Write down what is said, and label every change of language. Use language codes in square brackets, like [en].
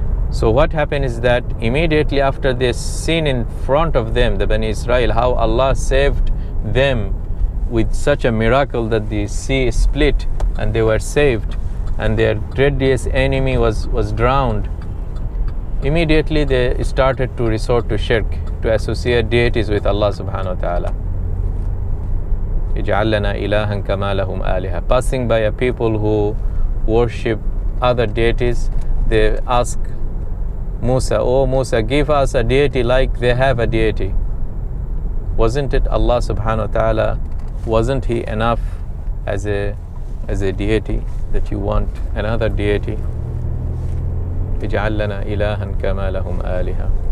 [en] So what happened is that immediately after this scene in front of them, the Bani Israel, how Allah saved them with such a miracle that the sea split and they were saved, and their dreadiest enemy was drowned. Immediately they started to resort to shirk, to associate deities with Allah subhanahu wa ta'ala. [ar] اجعلنا إلها كما لهم آلهة. [en] Passing by a people who worship other deities, they ask Musa, "Oh Musa, give us a deity like they have a deity." Wasn't it Allah subhanahu wa ta'ala, wasn't he enough as a deity that you want another deity? [ar] اجعلنا إلها كما لهم آلهة.